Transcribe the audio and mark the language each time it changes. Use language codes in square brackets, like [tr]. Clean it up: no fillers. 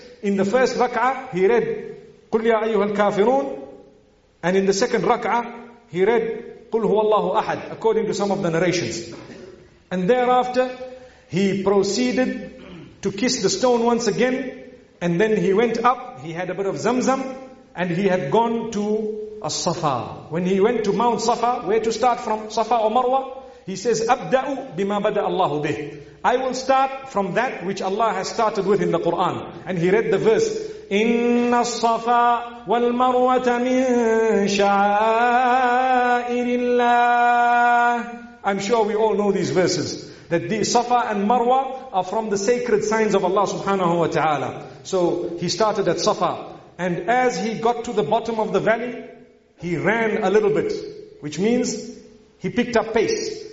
[en] In the first raka'ah he read qul ya ayyuhal kafirun, and in the second raka'ah he read qul huwallahu ahad, according to some of the narrations. And thereafter he proceeded to kiss the stone once again, and then he went up. He had a bit of zamzam, and he had gone to as-safa. When he went to Mount Safa, where to start from, Safa or Marwa? He says, [ar] أَبْدَأُ بِمَا بَدَأَ اللَّهُ بِهِ. [en] I will start from that which Allah has started with in the Quran. And he read the verse, [ar] إِنَّ الصَّفَا وَالْمَرْوَةَ مِن شَعَائِرِ اللَّهِ. [en] I'm sure we all know these verses, that the Safa and Marwa are from the sacred signs of Allah subhanahu wa ta'ala. So he started at Safa. And as he got to the bottom of the valley, he ran a little bit, which means he picked up pace.